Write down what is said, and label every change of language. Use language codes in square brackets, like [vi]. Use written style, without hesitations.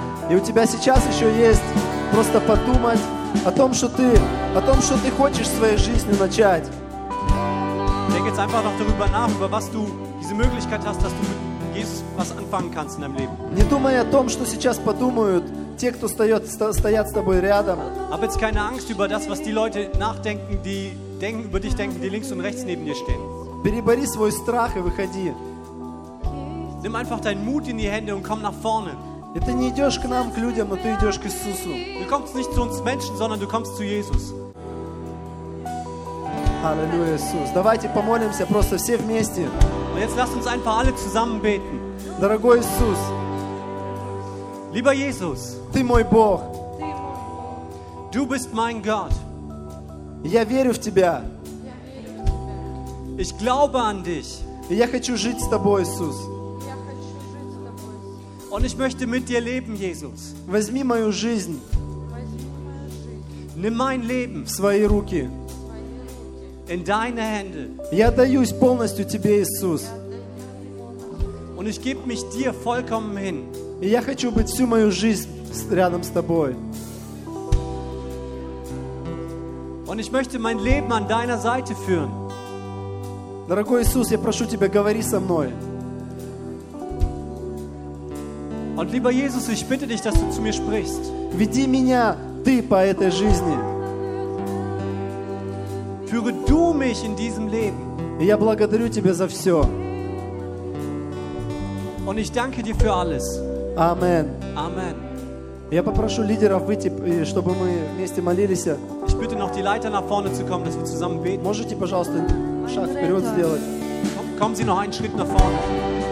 [ru] И у тебя сейчас еще есть просто подумать о том, что ты хочешь в своей жизни начать. [de] Denk jetzt einfach noch darüber nach, über was du diese Möglichkeit hast, dass du mit Jesus was anfangen kannst in deinem Leben. [ru] Не думай о том, что сейчас подумают те, кто стоят с тобой рядом. [de] Hab jetzt keine Angst über das, was die Leute nachdenken, die denken, über dich denken, die links und rechts neben dir stehen. [ru] Перебори свой страх и выходи. [de] Nimm einfach deinen Mut in die Hände und komm nach vorne. [ru] Ты не идешь к нам, к людям, но ты идешь к Иисусу. [de] Du kommst nicht zu uns Menschen, sondern du kommst zu Jesus. [ru] Halleluja, Иисус. Давайте помолимся просто все вместе. [de] Und jetzt lasst uns einfach alle zusammen beten. [ru] Дорогой Иисус. [de] Lieber Jesus. [ru] Ты мой Бог. [de] Du bist mein Gott. [ru] Я верю в тебя. [de] Ich glaube an dich. [ru] Я хочу жить с тобой, Иисус. [de] Und ich möchte mit dir leben, Jesus. [ru] Возьми мою жизнь. [de] Nimm mein Leben. [ru] В свои руки. [de] In deine Hände. [ru] Я отдаюсь полностью тебе, Иисус. [de] Und ich gebe mich dir vollkommen hin. [ru] Я хочу быть всю мою жизнь рядом с тобой. [de] Und ich möchte mein Leben an deiner Seite führen. [ru] Дорогой Иисус, я прошу тебя, говори со мной. [de] Und lieber Jesus, ich bitte dich, dass du zu mir sprichst. [ru] Веди меня ты по этой жизни. [de] Führe du mich in diesem Leben. [ru] Я благодарю тебя за все. [de] Und ich danke dir für alles. Amen. Amen. [ru] Я попрошу лидеров выйти, чтобы мы вместе молились. [de] Ich bitte noch die Leiter nach vorne zu kommen, dass wir zusammen beten. [ru] Можете, пожалуйста, шаг вперед сделать. [de] Kommen Sie noch einen Schritt nach vorne.